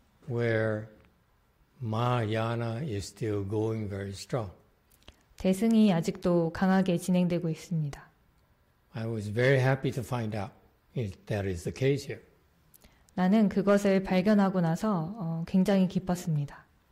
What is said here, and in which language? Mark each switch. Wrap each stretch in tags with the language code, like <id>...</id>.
<en>where Mahayana is still going very strong.</en> <ko>대승이 아직도 강하게 진행되고 있습니다.</ko> <en>I was very happy to find out if that is the case here.</en> <ko>나는 그것을 발견하고 나서 굉장히 기뻤습니다.</ko>